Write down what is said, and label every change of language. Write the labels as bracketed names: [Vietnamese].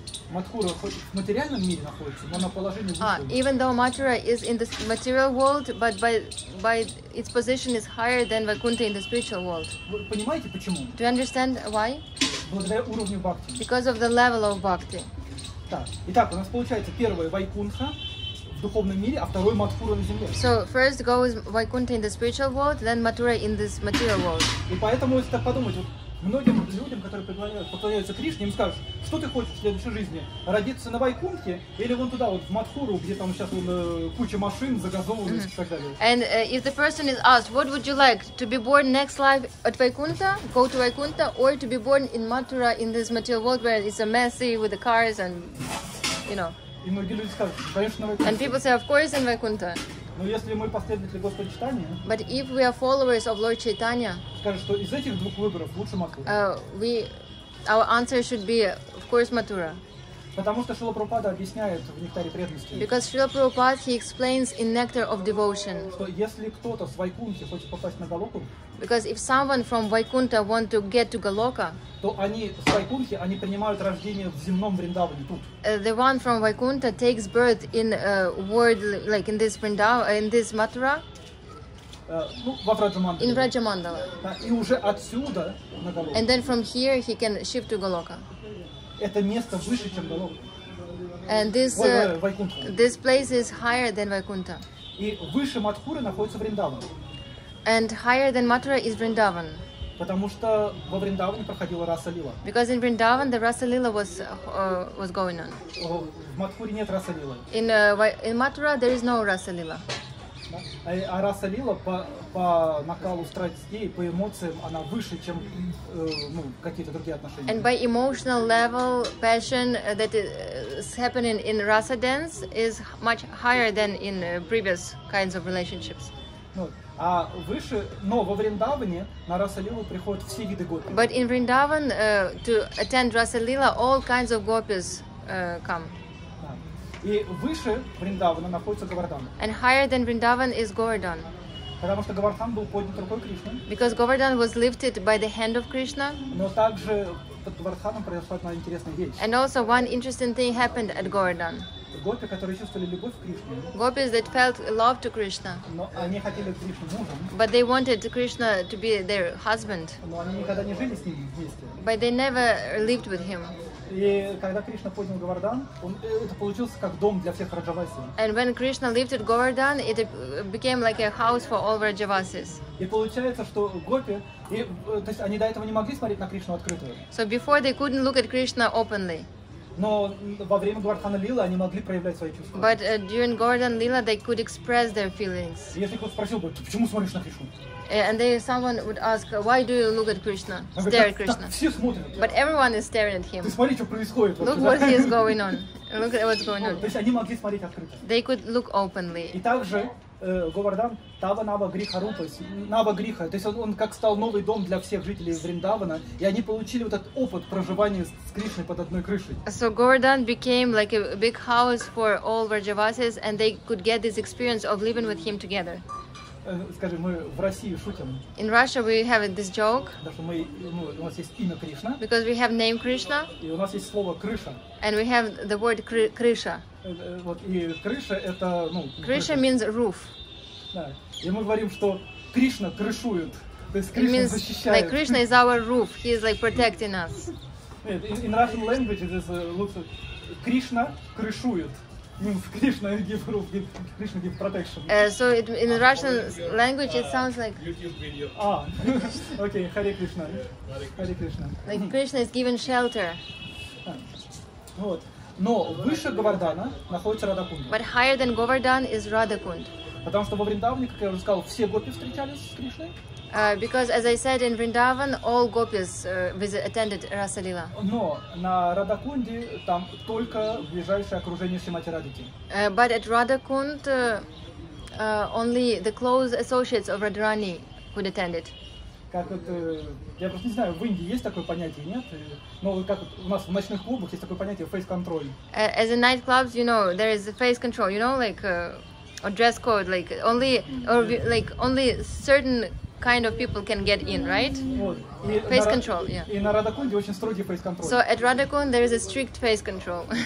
[Russian] Матхура в материальном мире находится, но на положении выше. [English] Even though Mathura is in the material world, but by its position is higher than Vaikuntha in the spiritual world. [Russian] Вы понимаете почему? [English] Do you understand why? [Russian] Благодаря уровню бхакти. [English] Because of the level of bhakti. [Russian] Так, итак, у нас получается первое Вайкунтха в духовном мире, а второе Матхура на земле. [English] So first goes Vaikuntha in the spiritual world, then Mathura in this material world. [Russian] И поэтому если так подумать, вот многим людям, которые поклоняются Кришне, им скажут, что ты хочешь в следующей жизни? Родиться на Вайкунтхе или вон туда вот в Матхуру, где там сейчас вон куча машин загазованных и так далее. [English] And if the person is asked, what would you like to be born next life at Vaikuntha, go to Vaikuntha, or to be born in Mathura in this material world where it's a messy with the cars and you know? [Russian] И многие люди скажут, конечно, на Вайкунтхе. [English] And people say, of course, in Vaikuntha. [Russian] Но если мы последователи Господа Чайтаньи, [English] but if we are followers of Lord Chaitanya, [Russian] скажем, что из этих двух выборов лучше Матхура. [English] Our answer should be, of course, Mathura. [Russian] Потому что Шрила Прабхупада объясняет в Нектаре преданности. [English] Because Шрила Прабхупада, he explains in Nectar of Devotion. [Russian] Что если кто-то с Вайкунтхи хочет попасть на Галоку? [English] Because if someone from Vaikuntha want to get to Galoka, [Russian] то они с Вайкунтхи, они принимают рождение в земном Вриндаване тут. [English] The one from Vaikuntha takes birth in world like in this Vrindavan, in this Mathura. In Vраджамандала. [Russian] И уже отсюда на Галоку. [English] And then from here he can shift to Galoka. [Russian] Это место выше, чем Галока. [English] And this place is higher than Vaikuntha. [Russian] И выше Матхуры находится Вриндаван. [English] And higher than Mathura is Vrindavan. [Russian] Потому что во Вриндаване проходила Раса Лила. [English] Because in Vrindavan the Rasa Lila was going on. [Russian] В Матхуре нет Раса Лилы. [English] In Mathura there is no Rasa Lila. [Russian] А Раса Лила по накалу страстей, по эмоциям, она выше, чем какие-то другие отношения. [English] And by emotional level, passion that is happening in Rasa dance is much higher than in previous kinds of relationships. [Russian] А выше, но во Вриндаване на Раса Лилу приходят все виды гопи. [English] But in Vrindavan, to attend Rasa Lila, all kinds of gopis come. [Russian] И выше Вриндавана находится Говардхан. [English] And higher than Vrindavan is Govardhan. [Russian] Потому что Говардхан был поднят рукой Кришны. [English] Because Govardhan was lifted by the hand of Krishna. [Russian] Но также под Говардханом произошла одна интересная вещь. [English] And also one interesting thing happened at Govardhan. [Russian] Гопи, которые чувствовали любовь к Кришне. [English] Gopis that felt love to Krishna. [Russian] Но они хотели Кришну мужем. [English] But they wanted Krishna to be their husband. [Russian] Но они никогда не жили с ним вместе. [English] But they never lived with him. [Russian] И когда Кришна поднял Говардхан, это получился как дом для всех раджавасий. [English] And when Krishna lifted Govardhan, it became like a house for all Rajavasis. [Russian] И получается, что гопи, то есть они до этого не могли смотреть на Кришну открыто. [English] So before they couldn't look at Krishna openly. [Russian] Но во время Говардхана Лила они могли проявлять свои чувства. [English] But during Govardhan Lila they could express their feelings. [Russian] Если кто-то спросил бы, почему смотришь на Кришну? [English] And then someone would ask, why do you look at Krishna, stare at Krishna? But everyone is staring at him. Look what he is going on. Look at what's going on. They could look openly. [Sanskrit] Говардхан Тава Нава Гриха Рупа, [Russian] Нава Гриха, то есть он как стал новый дом для всех жителей Вриндавана, и они получили вот этот опыт проживания с Кришной под одной крышей. [English] So Govardhan became like a big house for all Vrajavasis, and they could get this experience of living with him together. [Russian] Скажи, мы в России шутим. [English] In Russia we have this joke. [Russian] Да, что у нас есть имя Кришна. [English] Because we have name Krishna. [Russian] И у нас есть слово Крыша. [English] And we have the word Krisha. [Russian] Вот, и Крыша это, [English] Krisha means roof. [Russian] Да. И мы говорим, что Кришна крышует. То есть Кришна защищает. [English] Like Krishna is our roof. He is like protecting us. In Russian language it is [Russian] лучше. Кришна крышует. [English] Кришна give roof, Кришна give protection. So it, in Russian language it sounds like YouTube video. Okay, Hare Krishna. Hare Krishna. Like Krishna is given shelter. [Russian] Вот. Но выше Говардхана находится Радхакунд. [English] But higher than Govardhan is Radhakund. [Russian] Потому что во Вриндаване, как я уже сказал, все гопи встречались с Кришной. [English] Because as I said in Vrindavan, all gopis attended Rasa Lila. [Russian] Но на Радхакунде там только ближайшее окружение Шримати Радхики. [English] But at Radhakund, only the close associates of Radharani could attend it. [Russian] Как это, я просто не знаю, в Индии есть такое понятие, нет? Но как у нас в ночных клубах есть такое понятие face control. [English] As in nightclubs, you know, there is face control. You know, like or dress code, like only or like only certain kind of people can get in, right? Face control, yeah. [Russian] И на Радакунде очень строгий face control. [English] So at Radakund there is a strict face control.